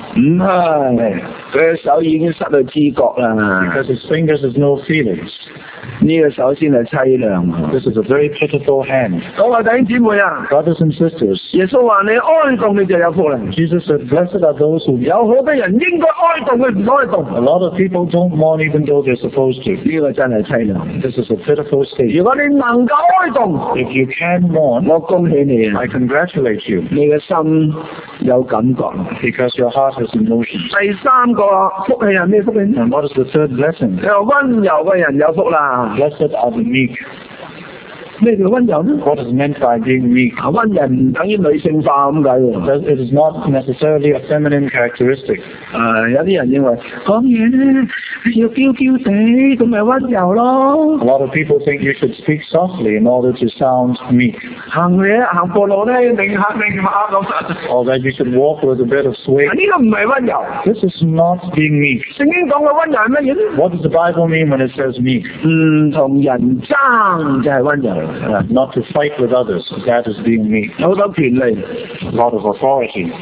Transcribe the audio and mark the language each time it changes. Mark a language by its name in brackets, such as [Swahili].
[Cantonese] 唔系，佢嘅手已经失去知觉啦。 [English] Because his fingers has no feelings。 [Cantonese] 呢个手先系凄凉。 [English] This is a very pitiful hand。 [Cantonese] 各位弟兄姊妹啊 [English] ，Brothers and sisters， [Cantonese] 耶稣话你哀痛你就有福啦。 [English] Jesus said, "Blessed are those who [Cantonese] 有好多人应该哀痛，佢唔哀痛。 [English] A lot of people don't mourn even though they're supposed to。 [Cantonese] 呢个真系凄凉。 [English] This is a pitiful state。 [Cantonese] 如果你能够哀痛 [English] ，If you can mourn， [Cantonese] 我恭喜你。 [English] I congratulate you。 [Cantonese] 你嘅心有感觉。 [English] Because your heart has emotion。 [Cantonese] 第三个福气系咩福气 [English] ？And what is the third blessing？ [Cantonese] 又温柔嘅人有福啦。 [English] Blessed are the meek。 [Cantonese] 咩叫温柔呢？ [English] What is meant by being weak? [Cantonese] 温柔唔等於女性化咁解喎。 [English] It is not necessarily a feminine characteristic. [Cantonese] 有啲人認為講嘢咧要嬌嬌地，咁咪温柔咯。 [English] A lot of people think you should speak softly in order to sound meek. [Cantonese] 行嘢行過路咧，明下明下咁。 [English] Or that you should walk with a bit of sway. [Cantonese] 呢個唔係温柔。 [English] This is not being meek. [Cantonese] 聖經講嘅温柔係乜嘢咧？ [English] What does the Bible mean when it says meek? [Cantonese] 同人爭就係温柔。 [English] Not to fight with others, that is being meek. [Cantonese] 好多權利， [English] lot of authority.